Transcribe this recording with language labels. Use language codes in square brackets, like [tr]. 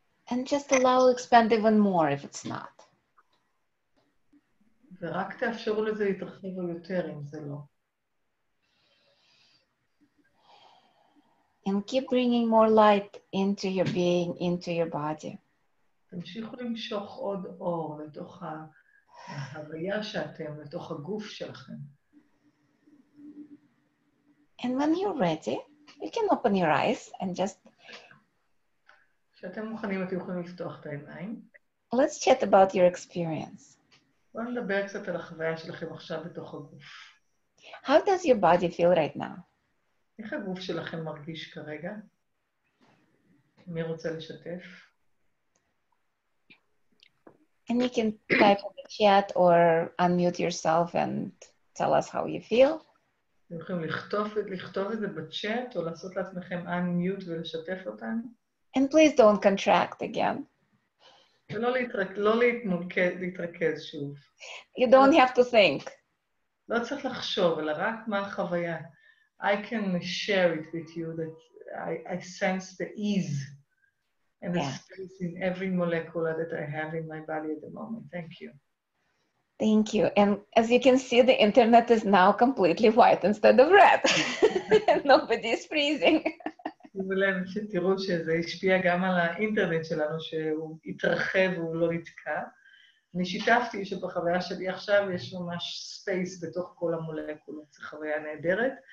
[en] And just allow it to expand even more if it's not. [he] ורק תאפשרו לזה להתרחיב יותר אם זה לא. [en] And keep bringing more light into your being, into your body. [he] תמשיכו למשוך עוד אור לתוך ההוויה שאתם, לתוך הגוף שלכם. [en] And when you're ready, you can open your eyes and just... [he] כשאתם מוכנים, אתם יכולים לפתוח את העיניים. [en] Let's chat about your experience. [he] בואו נדבר קצת על החוויה שלכם עכשיו בתוך הגוף. [en] How does your body feel right now? [he] איך הגוף שלכם מרגיש כרגע? מי רוצה לשתף? [en] And you can type in the chat or unmute yourself and tell us how you feel. [he] אתם יכולים לכתוב את זה בצ'אט או לעשות לעצמכם unmute ולשתף אותנו. [en] And please don't contract again. [he] ולא להתרכז שוב. [en] You don't have to think. [he] לא צריך לחשוב, אלא רק מה החוויה. [en] I can share it with you that I sense the ease and the space in every molecule that I have in my body at the moment. Thank you. Thank you. And as you can see, the internet is now completely white instead of red. Nobody is freezing. [he] תראו שזה השפיע גם על האינטרנט שלנו, שהוא התרחב והוא לא התקע. אני שיתפתי שבחוויה שלי עכשיו יש ממש ספייס בתוך כל המולקולות, זו חוויה נהדרת.